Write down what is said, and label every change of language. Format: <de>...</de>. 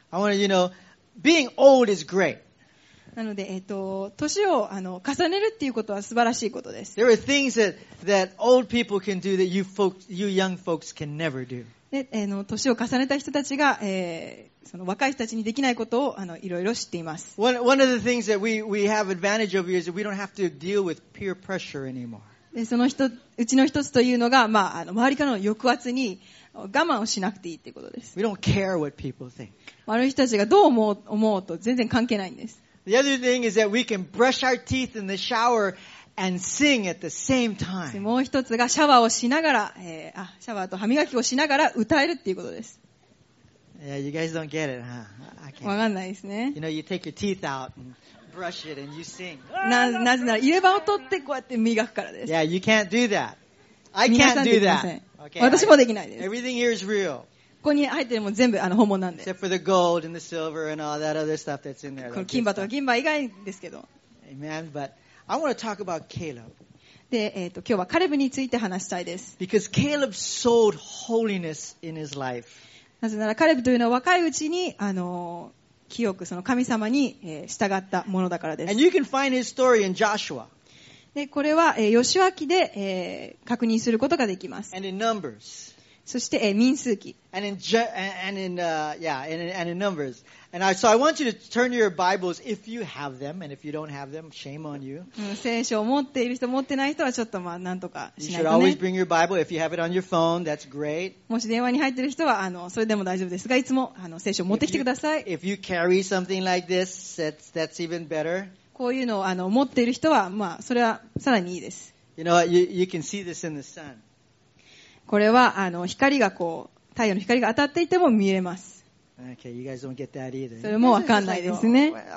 <en>I want you to know, being old is great.</en> <ja>なので、年を、重ねるっていうことは素晴らしいことです。</ja> <en>There are things that old people can do that you young folks can never do.</en> <ja>年を重ねた人たちが、その若い人たちにできないことをいろいろ知っています。</ja> <en>One of the things that we have advantage over is that we don't have to deal with peer pressure anymore.</en> <ja>で、そのうちの一つというのが、まあ、周りからの抑圧に我慢をしなくていいということです。</ja> <en>We don't care what people think.</en> <ja>周りの人たちがどう思うと全然関係ないんです。</ja> <en>The other thing is that we can brush our teeth in the shower. And sing at the same time.</en> <ja>もう一つがシャワーをしながら、シャワーと歯磨きをしながら歌えるっていうことです。</ja> <en>Yeah, you guys don't get it, huh?</en> <ja>Okay. わかんないですね。</ja> <en>You know, you take your teeth out and brush it and you sing.</en> <ja>なぜなら入れ歯を取ってこうやって磨くからです。</ja> <en>Yeah, you can't do that. I can't do that.</en> <ja>Okay. 私もできないです。</ja> <en>Everything here is real.</en> <ja>ここに入っているも全部本物なんで。</ja> <en>Except for the gold and the silver and all that other stuff that's in there.</en> <ja>この金歯とか銀歯以外ですけど。</ja> <en>Amen, but. I want to talk about Caleb.</en> <ja>で、今日はカレブについて話したいです。</ja> <en>Because Caleb sowed holiness in his life.</en> <ja>なぜならカレブというのは若いうちに清くその神様に従ったものだからです。</ja> <en>And you can find his story in Joshua.</en> <ja>でこれはヨシュア記で確認することができます。</ja> <en>And in Numbers.</en> <ja>そして民数記。</ja> <en>And in Numbers. And so I want you to turn your Bibles if you have them. And if you don't have them, shame on you.</en> <ja>聖書を持っている人、持ってない人はちょっとまあなんとかしないとね。</ja> <en>You should always bring your Bible if you have it on your phone. That's great.</en> <ja>もし電話に入っている人はそれでも大丈夫ですが、いつも聖書を持ってきてください。</ja> <en>If you carry something like this, that's even better.</en> <ja>こういうのを持っている人はまあそれはさらにいいです。</ja> <en>You know what? You can see this in the sun.</en> <ja>これは光がこう太陽の光が当たっていても見えます。</ja> <en>Okay, you guys don't get that either.</en> <ja>それもわかんないですね。</ja>